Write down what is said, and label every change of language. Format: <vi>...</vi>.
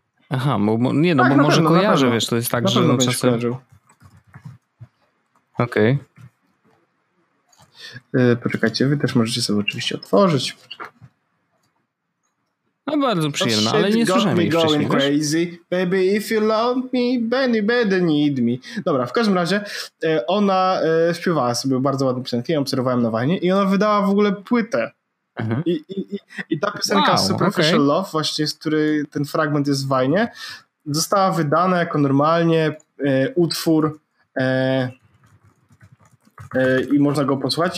<pl>Aha, bo może pewno, kojarzę, wiesz, to jest tak, na że... Na czasem... Okej. Okay. Poczekajcie, wy też możecie sobie oczywiście otworzyć. No bardzo przyjemna, ale nie słyszałem jej</pl> <en>going crazy. Baby, if you love me, baby, baby, need me.</en> <pl>Dobra, w każdym razie ona śpiewała sobie bardzo ładne piosenki, ją obserwowałem na Vine i ona wydała w ogóle płytę. Uh-huh. I ta piosenka Superficial Love, właśnie z której ten fragment jest w Vine, została wydana jako normalnie utwór i można go posłuchać.</pl>